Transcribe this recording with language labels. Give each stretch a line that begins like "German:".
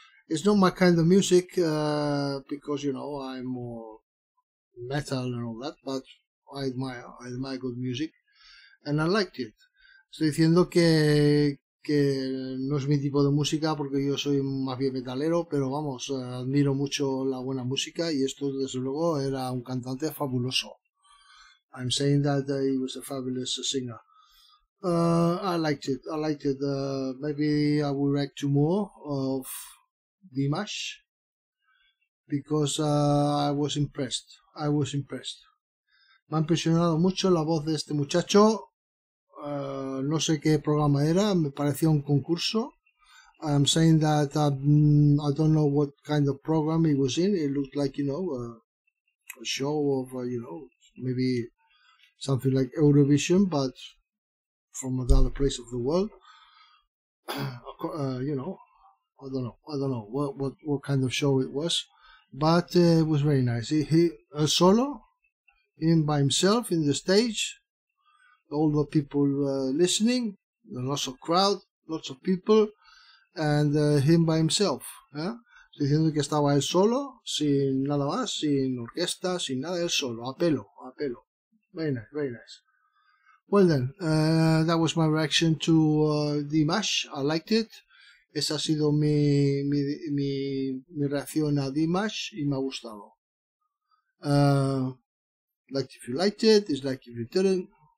English: It's not my kind of music, because, you know, I'm more metal and all that, but I admire good music, and I liked it.
Spanish: Estoy diciendo que no es mi tipo de música, porque yo soy más bien metalero, pero vamos, admiro mucho la buena música, y esto, desde luego, era un cantante fabuloso.
English: I'm saying that he was a fabulous singer. I liked it. Maybe I will react to more of Dimash, because I was impressed.
Spanish: Me ha impresionado mucho la voz de este muchacho. No sé qué programa era, me parecía un concurso.
English: I'm saying that I don't know what kind of program he was in. It looked like, you know, a show of, you know, maybe something like Eurovision, but from another place of the world. You know, I don't know what kind of show it was, but it was very nice. He solo, by himself in the stage, all the people listening, lots of people, and him by himself.
Spanish: ¿Eh? Diciendo que estaba él solo, sin nada más, sin orquesta, sin nada, él solo, a pelo.
English: Very nice. Well then, that was my reaction to Dimash. I liked it.
Spanish: Esa ha sido mi reacción a Dimash y me ha gustado.
English: like if you liked it, dislike if you didn't.